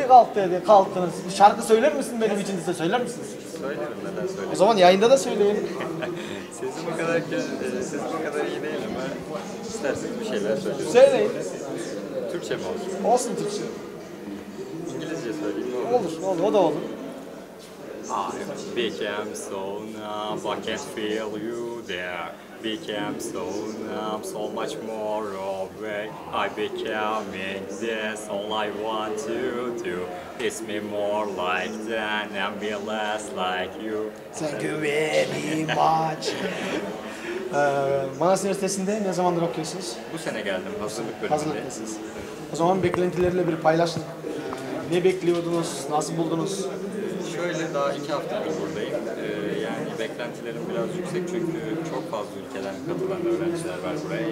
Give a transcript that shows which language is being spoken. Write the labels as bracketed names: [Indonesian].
[Turkish] Bir kalk dedi, kalktınız. Şarkı söyler misin benim için size? Söyler misiniz? Söylerim, neden söyleyeyim? O zaman yayında da söyleyin. Sesim o kadar sesim o kadar iyi değil ama isterseniz bir şeyler söyleyeyim. Söyleyin. Türkçe mi olsun? Olsun Türkçe. İngilizce söyleyeyim mi? Olur, olur, o da olur. [English] I became so numb, I can't feel you there. Became so numb, so much more away. I became this, all I want to do. It's me more like than and be less like you. Thank you very much. [Turkish] Manas Üniversitesi'nde ne zamandır okuyorsunuz? Bu sene geldim, hazırlık bölümünde. Hazırlıklısınız. O zaman beklentilerle bir paylaşın. Ne bekliyordunuz, nasıl buldunuz? Şöyle, daha 2 haftadır buradayım. Yani beklentilerim biraz yüksek çünkü çok fazla ülkeden katılan öğrenciler var buraya.